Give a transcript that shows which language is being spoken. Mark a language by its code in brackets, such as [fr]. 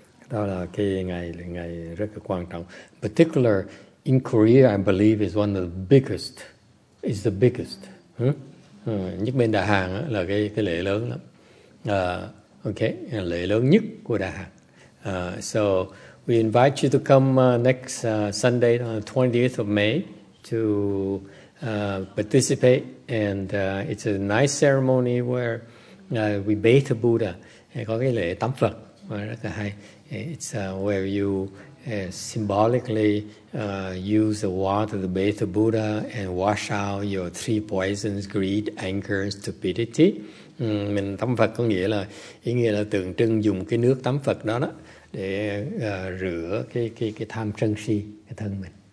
[vi] Đó là cái ngày rất là quan trọng. [en] Particular in Korea, I believe is one of the biggest. Is the biggest. [vi] Nhất bên Đà Hàng á, là cái lễ lớn lắm. Okay, lễ lớn nhất của Đà Hàng. [en] So we invite you to come next Sunday on the 20th of May to participate. And it's a nice ceremony where we bathe the Buddha. [vi] Có cái lễ tắm Phật rất là hay. [en] It's where you symbolically use the water to bathe the Buddha and wash out your three poisons, greed, anger, stupidity. [vi] Mình tắm Phật có nghĩa là ý nghĩa là tượng trưng dùng cái nước tắm Phật đó đó để rửa cái tham sân si cái thân mình.